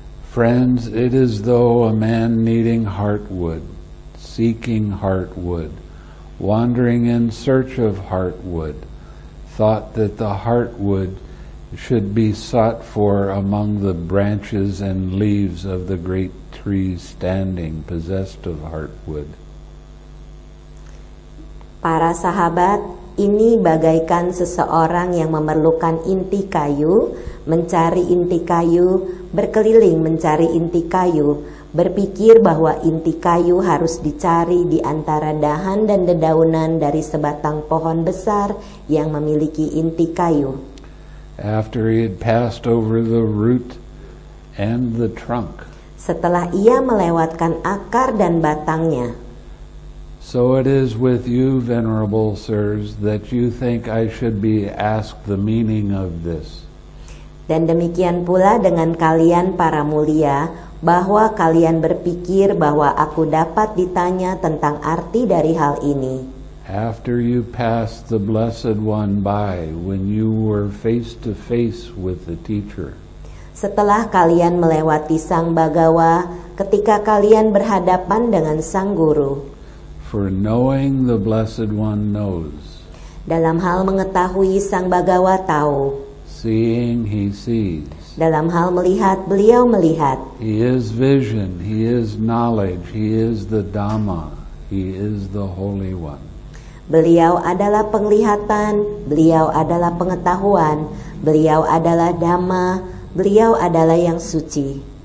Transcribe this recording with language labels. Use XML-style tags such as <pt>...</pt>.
<en>Friends, it is though a man needing heartwood, seeking heartwood, wandering in search of heartwood, thought that the heartwood should be sought for among the branches and leaves of the great tree standing possessed of heartwood.</en> <id>Para sahabat, ini bagaikan seseorang yang memerlukan inti kayu, mencari inti kayu, berkeliling mencari inti kayu, berpikir bahwa inti kayu harus dicari di antara dahan dan dedaunan dari sebatang pohon besar yang memiliki inti kayu.</id> <en>After he had passed over the root and the trunk.</en> <id>Setelah ia melewatkan akar dan batangnya.</id> <en>So it is with you, venerable sirs, that you think I should be asked the meaning of this.</en> <id>Dan demikian pula dengan kalian para mulia, bahwa kalian berpikir bahwa aku dapat ditanya tentang arti dari hal ini.</id> <en>After you passed the Blessed One by, when you were face to face with the teacher.</en> <id>Setelah kalian melewati Sang Bhagawa, ketika kalian berhadapan dengan Sang Guru.</id> <en>For knowing the Blessed One knows.</en> <id>Dalam hal mengetahui Sang Bhagawa tahu.</id> <en>Seeing he sees.</en> <id>Dalam hal melihat beliau melihat.</id> <en>He is vision, he is knowledge, he is the Dhamma, he is the Holy One.</en> <id>Beliau adalah penglihatan, beliau adalah pengetahuan, beliau adalah Dhamma, beliau adalah yang suci.</id>